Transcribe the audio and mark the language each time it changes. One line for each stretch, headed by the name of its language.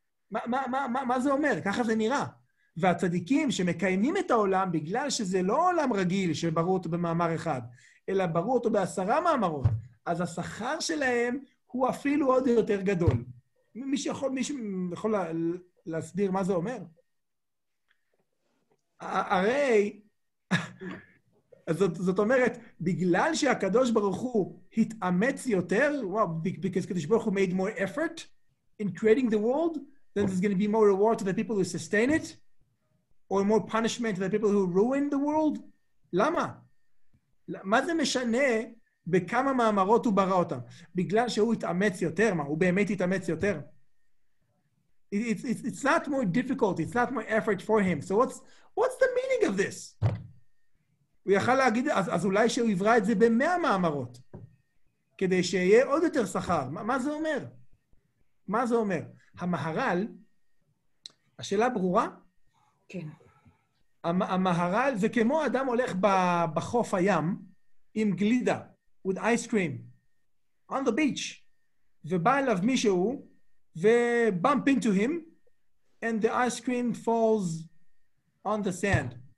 Hebrew: מה, מה, מה, מה, מה זה אומר? ככה זה נראה. והצדיקים שמקיימים את העולם, בגלל שזה לא עולם רגיל שברו אותו במאמר אחד, אלא ברו אותו בעשרה מאמרות, אז השכר שלהם הוא אפילו עוד יותר גדול. מי שיכול, מי שיכול להסביר מה זה אומר? הרי, זאת אומרת, בגלל שהקדוש ברוך הוא
English: התאמץ יותר, וואו, בגלל הקדוש ברוך הוא made more effort in creating the world, then there's going to be more reward to the people who sustain it, or more punishment to the people who ruin the world?
Hebrew: למה? מה זה משנה בכמה מאמרות הוא ברא אותם? בגלל שהוא התאמץ יותר, מה? הוא באמת התאמץ יותר?
English: It's not more difficult, it's not more effort for him. So what's the meaning of this?
Hebrew: הוא יכל להגיד, אז אולי שהוא יברא את זה במאה מאמרות, כדי שיהיה עוד יותר שכר. מה זה אומר? מה זה אומר? המהר"ל, השאלה ברורה? כן. המהר"ל, זה כמו אדם הולך בחוף הים, עם גלידה,
English: with ice cream, on the beach,
Hebrew: ובא אליו מישהו,
English: ובאמפ אינטו הים, and the ice cream falls on the sand.